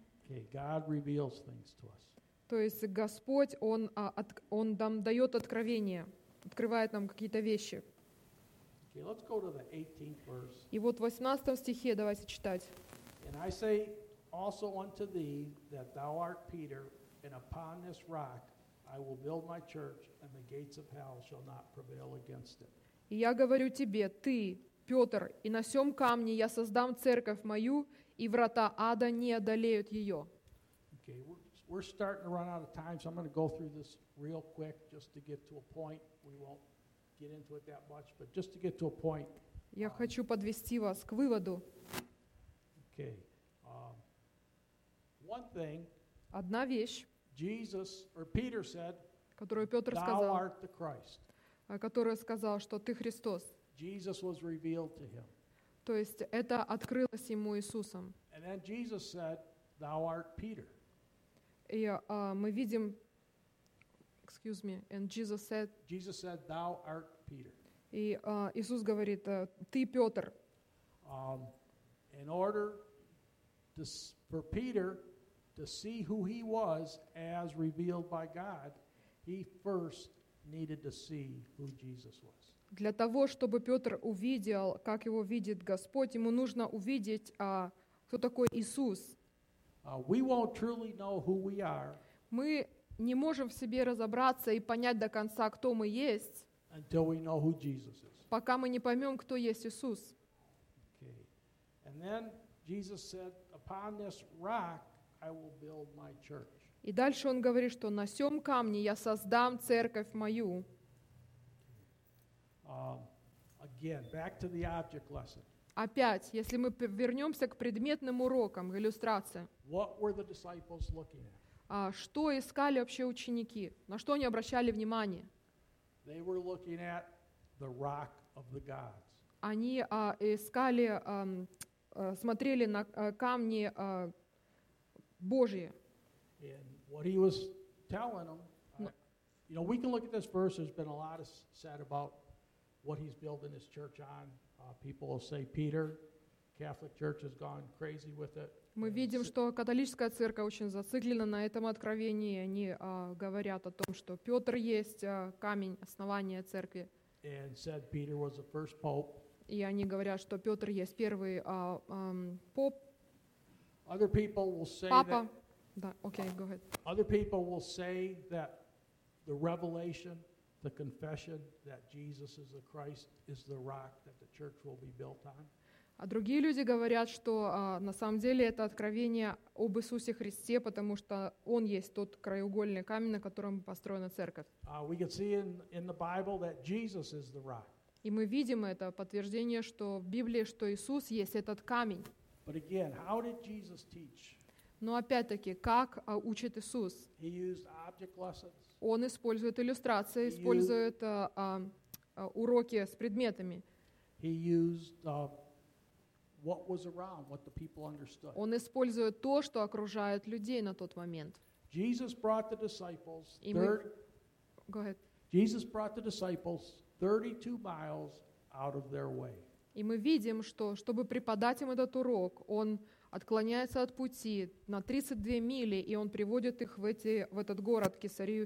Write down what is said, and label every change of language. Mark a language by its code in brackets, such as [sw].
[en] Okay, God reveals things to us. [ru] То есть Господь, Он нам дает откровение, открывает нам какие-то вещи. [en] Okay, let's go to the 18th verse. [ru] И вот в 18 стихе давайте читать. [en] And I say also unto thee that thou art Peter, and upon this rock I will build my church, and the gates of hell shall not prevail against it. [ru] И я говорю тебе, ты, Петр, и на сём камне я создам церковь мою, и врата ада не одолеют ее. [en] Okay, we're starting to run out of time, so I'm going to go through this real quick just to get to a point. We won't get into it that much, but just to get to a point. [ru] Я хочу подвести вас к выводу. [en] Okay. One thing. [ru] Одна вещь. [en] Jesus or Peter said, [ru] которую Петр сказал, [en] "Thou art the Christ." [ru] Который сказал, что ты Христос. [en] Jesus was revealed to him. [ru] То есть это открылось ему Иисусом. [en] And then Jesus said, "Thou art Peter." [ru] И мы видим, [en] excuse me, and Jesus said, "Thou art Peter." [ru] И Иисус говорит, ты Петр. [en] In order to, for Peter to see who he was as revealed by God, he first needed to see who Jesus was. [ru] Для того, чтобы Петр увидел, как его видит Господь, ему нужно увидеть, кто такой Иисус. [en] We won't truly know who we are. [ru] Мы не можем в себе разобраться и понять до конца, кто мы есть, [en] until we know who Jesus is. [ru] Пока мы не поймем, кто есть Иисус. [en] Okay. And then Jesus said, "Upon this rock I will build my church." [ru] И дальше он говорит, что на сём камне я создам церковь мою. [en] Again, back to the object lesson. [ru] Опять, если мы вернемся к предметным урокам, к иллюстрации. [en] What were the disciples looking at? [ru] Что искали вообще ученики? На что они обращали внимание? [en] They were looking at the rock of the gods. [ru] Они искали, смотрели на камни Божьи. [en] And what he was telling them, you know, we can look at this verse. There's been a lot of said about what he's building his church on. People will say, Peter, Catholic Church has gone crazy with it. [ru] Мы видим, что католическая церковь очень зациклена на этом откровении. Они говорят о том, что Петр есть камень основания церкви. [en] And said Peter was the first pope. [ru] И они говорят, что Петр есть первый поп. [en] Other people will say [ru] Папа. [en] That. Okay, go ahead. Other people will say that the revelation, the confession that Jesus is the Christ is the rock that the church will be built on. [ru] А другие люди говорят, что на самом деле это откровение об Иисусе Христе, потому что он есть тот краеугольный камень, на котором построена церковь. [en] We can see in the Bible that Jesus is the rock. [ru] И мы видим это подтверждение, что в Библии, что Иисус есть этот камень. [en] But again, how did Jesus teach? [ru] Но опять-таки, как учит Иисус? [en] He used object lessons. [ru] Он использует иллюстрации, использует уроки с предметами. [en] He used what was around, what the people understood. [ru] Он использует то, что окружает людей на тот момент. [en] Jesus brought the disciples 30, go ahead. Jesus brought the disciples 32 miles out of their way. [ru] И мы видим, что, чтобы преподать им этот урок, он отклоняется от пути на 32 мили, и он приводит их в, эти, в этот город, Кесарию